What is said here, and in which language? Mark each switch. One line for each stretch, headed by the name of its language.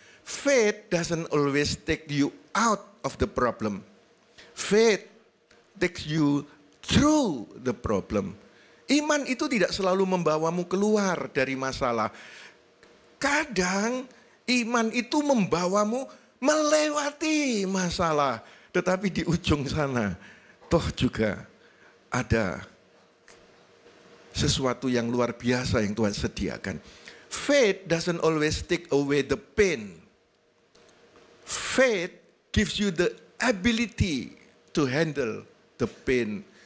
English: Faith doesn't always take you out of the problem. Faith takes you through the problem.
Indonesian: Iman itu tidak selalu membawamu keluar dari masalah. Kadang iman itu membawamu melewati masalah. Tetapi di ujung sana, toh juga ada sesuatu yang luar biasa yang Tuhan sediakan.
English: Faith doesn't always take away the pain. Faith gives you the ability to handle the pain.